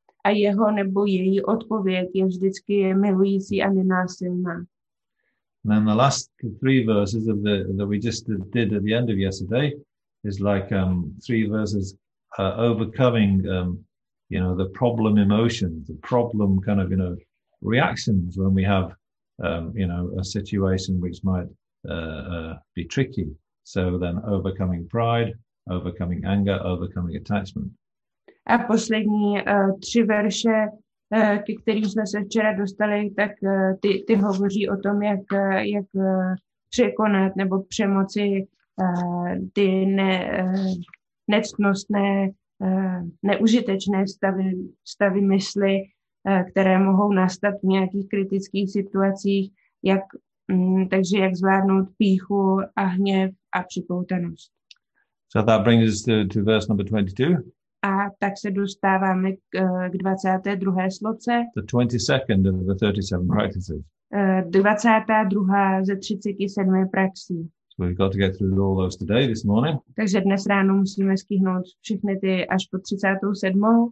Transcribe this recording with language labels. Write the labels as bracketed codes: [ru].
[cs] A jeho nebo její odpověď je vždycky milující a nenásilná. [en] And then the last 3 verses of that we just did at the end of yesterday is like 3 verses overcoming you know, the problem emotions, the problem kind of, you know, reactions when we have you know, a situation which might be tricky. So then overcoming pride, overcoming anger, overcoming attachment. [cs] A poslední 3 verše, ke kterým jsme se včera dostali, tak ty hovoří o tom, jak překonat nebo přemoci ty nectnostné, neužitečné stavy mysli, které mohou nastat v nějakých kritických situacích, takže jak zvládnout pýchu a hněv a připoutanost. [en] So that brings us to verse number 22. [cs] A tak se dostáváme k 22. sloce. [en] The 22nd of the 37 practices. [cs] 22. ze 37 praxí. [en] So we've got to get through all those today, this morning. [cs] Takže dnes ráno musíme stihnout všechny ty až po 37.